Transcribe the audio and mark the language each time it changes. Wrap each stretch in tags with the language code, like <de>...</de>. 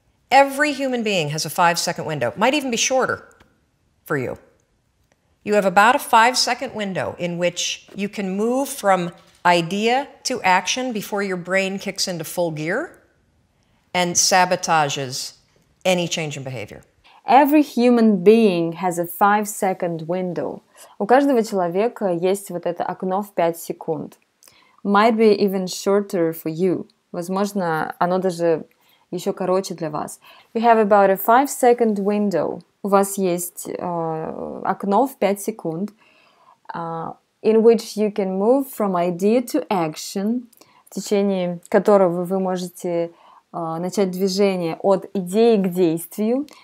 <en>Every human being has a 5 second window, might even be shorter for you. You have about a 5 second window in which you can move from idea to action before your brain kicks into full gear and sabotages any change in behavior. Every human being has a 5 second window.</en> <ru>У каждого человека есть вот это окно в 5 секунд.</ru> <en>Might be even shorter for you.</en> <ru>Возможно, оно даже еще короче для вас.</ru> <en>You have about a 5 second window.</en> <ru>У вас есть окно в 5 секунд.</ru> <en>In which you can move from idea to action.</en> <ru>В течение которого вы можете начать движение от идеи к действию.</ru>